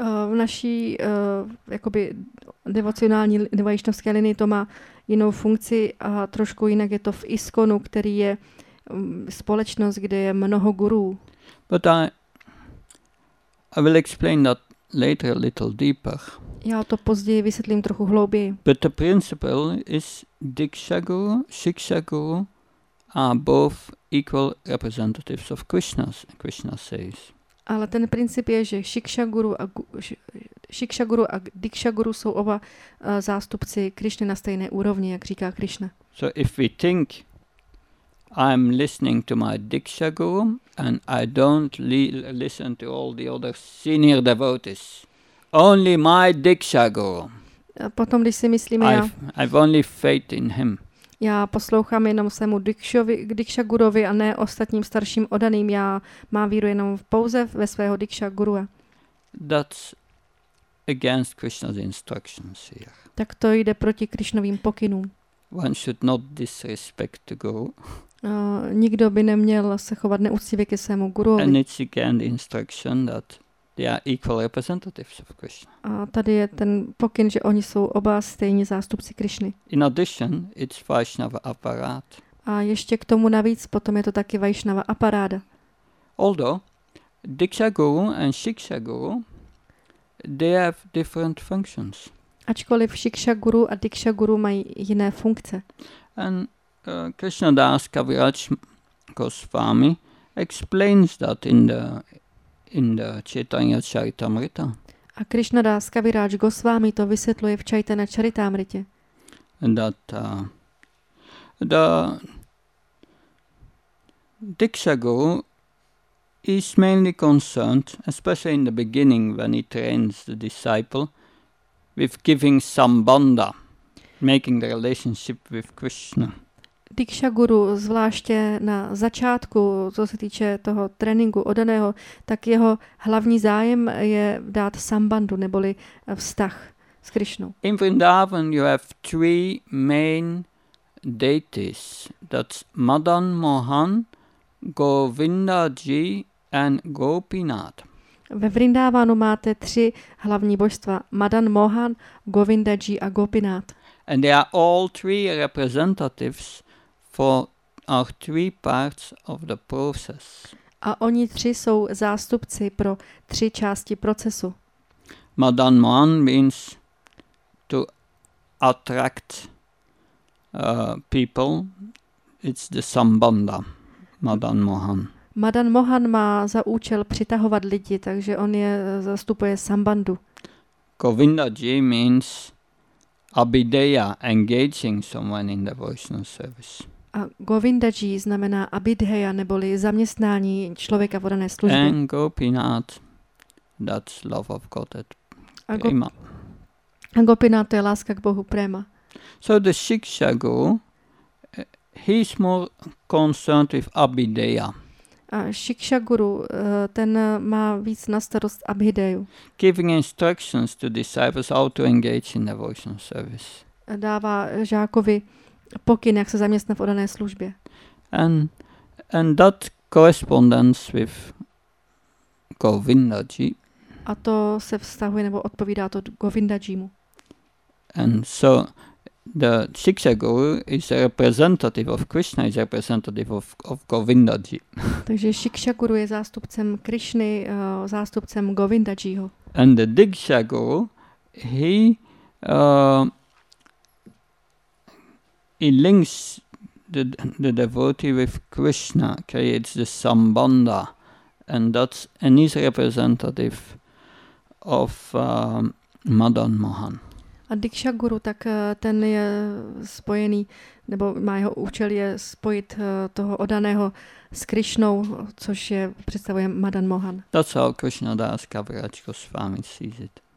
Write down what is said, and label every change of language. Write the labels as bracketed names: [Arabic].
[Czech] V naší jakoby devocionální vaishnavské linii to má jinou funkci a trošku jinak je to v ISKCONu, který je společnost, kde je mnoho gurů. [English] But I will explain that later a little deeper. [Czech] Já to později vysvětlím trochu hlouběji. [English] But the principle is Diksha guru, Shiksha guru are both equal representatives of Krishna, Krishna says. [Czech] Ale ten princip je, že Shiksha guru a Diksha guru jsou oba zástupci Krishny na stejné úrovni, jak říká Krishna. [English] So if we think I'm listening to my Diksha guru and I don't listen to all the other senior devotees. Only my Diksha guru. [Czech] A potom, když si myslím, [English] I've only faith in him. [Czech] Já poslouchám jenom svému Diksha guruovi a ne ostatním starším odaným. Já mám víru jenom pouze ve svého Diksha gurua. [English] That's against Krishna's instructions here. [Czech] Tak to jde proti Krishnovým pokynům. [English] One should not disrespect the guru. [Czech] Nikdo by neměl se chovat neúctivě ke svému guruovi. [English] And it's again the instruction that they are equal representatives of Krishna. [Czech] A tady je ten pokyn, že oni jsou oba stejně zástupci Krishny. [English] In addition, it's Vaishnava aparát. [Czech] A ještě k tomu navíc, potom je to taky Vaishnava aparáda. [English] Although Diksha guru and Shiksha guru, they have different functions. [Czech] Ačkoliv Shiksha guru a Diksha guru mají jiné funkce. [English] And Krishna Das Kaviraj Goswami explains that in the Chaitanya Charitamrita. [Czech] A Krishna Das Kaviraj Goswami to vysvětluje v Chaitanya Charitamritě. [English] That the Diksha Guru is mainly concerned, especially in the beginning when he trains the disciple, with giving sambandha, making the relationship with Krishna. [Czech] Diksha Guru, zvláště na začátku, co se týče toho tréninku odaného, tak jeho hlavní zájem je dát sambandhu, neboli vztah s Krishnou. [English] In Vrindavan you have three main deities. That's Madan Mohan, Govinda Ji and Gopinath. [Czech] Ve Vrindavanu máte tři hlavní božstva. Madan Mohan, Govinda Ji a Gopinath. [English] And they are all three representatives for our three parts of the process. [Czech] A oni tři jsou zástupci pro tři části procesu. [English] Madan Mohan means to attract people. It's the sambandha, Madan Mohan. [Czech] Madan Mohan má za účel přitahovat lidi, takže on je zastupuje sambandhu. [English] Govinda Ji means abideya, engaging someone in the devotional service. [Czech] A Govinda Ji znamená abideya, neboli zaměstnání člověka v dané službě. [English] And Gopinath, that's love of God at prema. [Czech] A Gopinath, to je láska k Bohu prema. [English] So the Shiksha Guru, he's more concerned with abideya. [Czech] A Shiksha Guru, ten má víc na starost abhideju. [English] Giving instructions to disciples how to engage in devotional service. [Czech] Dává žákovi pokyn, jak se zaměstnat v odané službě. [English] And that correspondence with Govinda Ji. [Czech] A to se vztahuje nebo odpovídá to Govinda Jimu. [English] And so the Shiksha Guru is a representative of Krishna, is a representative of Govinda Ji. [Czech] Takže Shiksha Guru je zástupcem Krishny, zástupcem Govinda Jiho. [English] And the Diksha Guru, he links the devotee with Krishna, creates the sambandha, and he's a representative of Madan Mohan. [Czech] A Diksha Guru, tak ten je spojený, nebo má jeho účel je spojit toho odaného s Krishnou, což je představuje Madan Mohan. [English] That's how Krishna Das Kaviraj Goswami sees it.